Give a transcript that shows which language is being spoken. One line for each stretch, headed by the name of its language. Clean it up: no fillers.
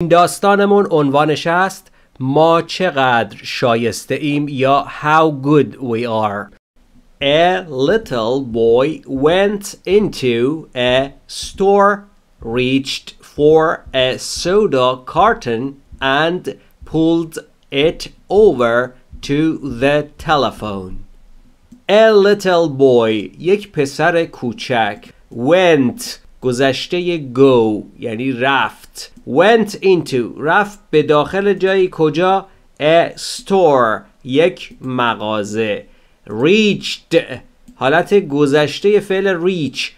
Persian: این داستانمون عنوانش است ما چقدر شایسته ایم یا
English: How good we are. A little boy went into a store, reached for a soda carton and pulled it over to the telephone. A little boy,
Persian: یک پسر کوچک,
English: went,
Persian: گذشته go, یعنی رفت.
English: Went into,
Persian: رفت به داخل جایی کجا؟
English: A store,
Persian: یک مغازه.
English: Reached,
Persian: حالت گذشته فعل reach.